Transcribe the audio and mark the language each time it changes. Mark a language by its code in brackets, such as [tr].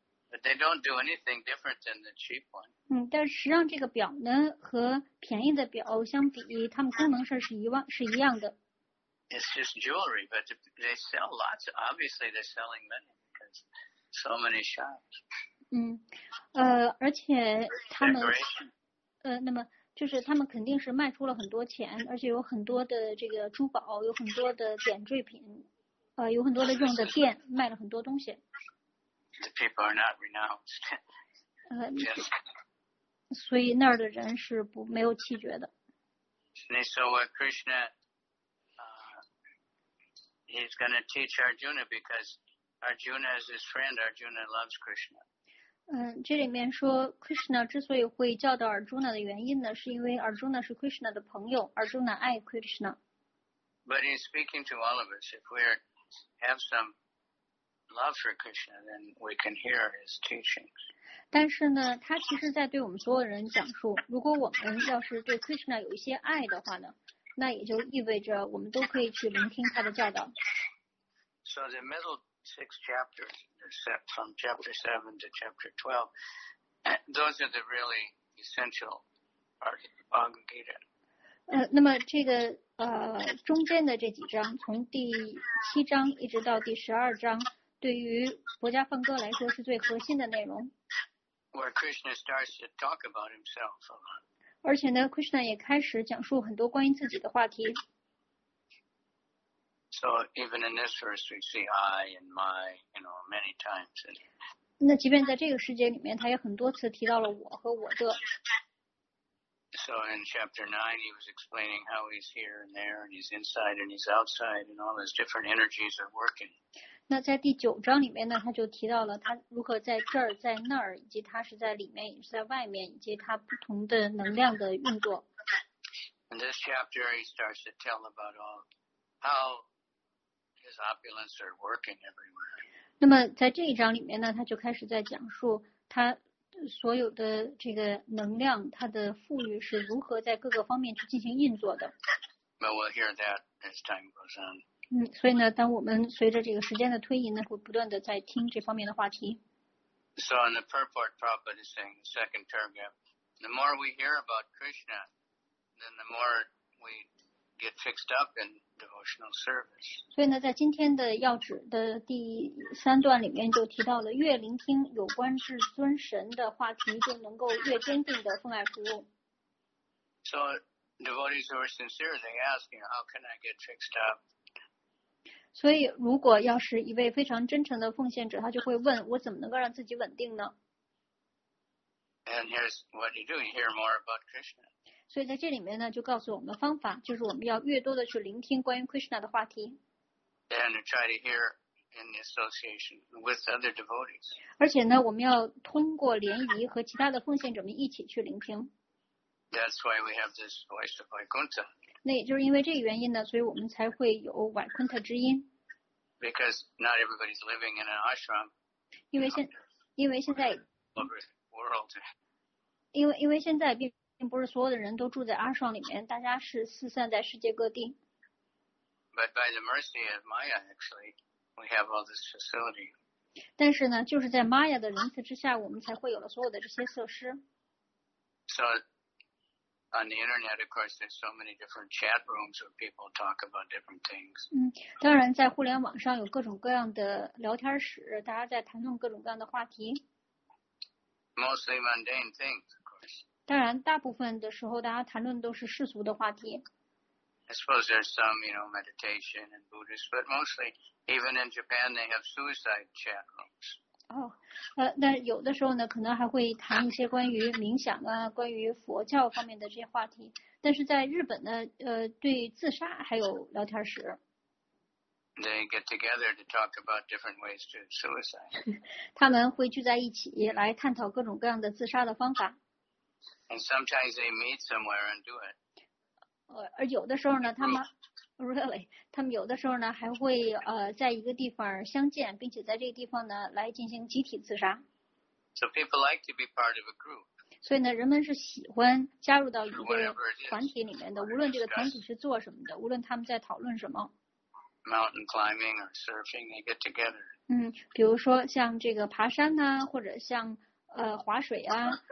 [en] But they don't do anything different than the cheap one. [zh] 但是实际上这个表呢和便宜的表相比，它们功能上是一样的。 [en] It's just jewelry, but they sell lots. Obviously, they're selling many because so many shops. [zh] 而且他们那么就是他们肯定是卖出了很多钱，而且有很多的这个珠宝，有很多的点缀品，有很多的用的店，卖了很多东西。 [en] The people are not renounced. [zh] 所以那儿的人是不没有弃绝的。 [en] And so Krishna, he's going to teach Arjuna because Arjuna is his friend. Arjuna loves Krishna. [zh] 这里面说 Krishna 之所以会教导 Arjuna 的原因呢，是因为 Arjuna 是 Krishna 的朋友， Arjuna 爱 Krishna。 [en] But in speaking to all of us, if we have some love for Krishna, then we can hear his teachings. [zh] 但是呢，他其实在对我们所有人讲述，如果我们要是对 Krishna 有一些爱的话呢，那也就意味着我们都可以去聆听他的教导。 [en] So the middle six chapters,from chapter 7 to chapter 12. Those are the really essential parts of the Bhagavad Gita. [zh] 那么这个中间的这几章，从第七章一直到第十二章，对于薄伽梵歌来说是最核心的内容。 [en] Where Krishna starts to talk about himself a lot. [zh] 而且呢 ，Krishna 也开始讲述很多关于自己的话题。 [en] So even in this verse, we see I and my, you know, many times. [zh] 那即便在这个世界里面，他也很多次提到了我和我的。 [en] So in chapter 9, he was explaining how he's here and there, and he's inside and he's outside, and all his different energies are working. [zh] 那在第九章里面呢，他就提到了他如何在这儿在那儿，以及他是在里面也是在外面，以及他不同的能量的运作。 [en] In this chapter, he starts to tell about all how his opulence are working everywhere. [zh] 那么在这一章里面呢，他就开始在讲述他所有的这个能量，他的富裕是如何在各个方面去进行运作的。 [en] But we'll hear that as time goes on. [zh] 嗯，所以呢，当我们随着这个时间的推移呢，会不断的在听这方面的话题。 [en] So in the purport, Prabhupada is saying, second paragraph, the more we hear about Krishna. Then the more we get fixed up in devotional service. [zh] 所以呢，在今天的要旨的第三段里面就提到了，越聆听有关至尊神的话题，就能够越坚定的奉爱服务。 [en] So devotees who are sincere, they ask, you know, how can I get fixed up? [zh] 所以，如果要是一位非常真诚的奉献者，他就会问我怎么能够让自己稳定呢 [en] ？And here's what you do: you hear more about Krishna. [zh] 所以在这里面呢，就告诉我们的方法，就是我们要越多的去聆听关于 Krishna 的话题。 [en] And try to hear in association with other devotees. [zh] 而且呢，我们要通过联谊和其他的奉献者们一起去聆听。 [en] That's why we have this voice of Vaikuntha. [zh] 那也就是因为这个原因呢，所以我们才会有瓦昆特之音。 [en] Because not everybody's living in an ashram. [zh] 因为现在 [en] world. [zh] 因为现在并。并不是所有的人都住在阿双里面，大家是四散在世界各地。 [en] But by the mercy of Maya, actually, we have all this facility. [zh] 但是呢，就是在 Maya 的仁慈之下，我们才会有了所有的这些设施。 [en] So, on the internet, of course, there's so many different chat rooms where people talk about different things. [zh] 嗯，当然，在互联网上有各种各样的聊天室，大家在谈论各种各样的话题。 [en] Mostly mundane things, of course. [zh] 当然，大部分的时候，大家谈论都是世俗的话题。 [en] I suppose there's some, you know, meditation and Buddhist, but mostly, even in Japan, they have suicide chat rooms. [zh] 那有的时候呢，可能还会谈一些关于冥想啊，关于佛教方面的这些话题。但是在日本呢，对自杀还有聊天室。 [en] They get together to talk about different ways to suicide. [zh] 他们会聚在一起来探讨各种各样的自杀的方法。 [en] And sometimes they meet somewhere and do it. [zh] 而有的时候呢，他们 [en] really， [zh] 他们有的时候呢还会在一个地方相见，并且在这个地方呢来进行集体自杀。 [en] So people like to be part of a group. [zh] 所以呢，人们是喜欢加入到一个团体里面的，无论这个团体是做什么的，无论他们在讨论什么。 [en] Mountain climbing or surfing, they get together. [zh] 嗯，比如说像这个爬山呐、啊，或者像滑水啊。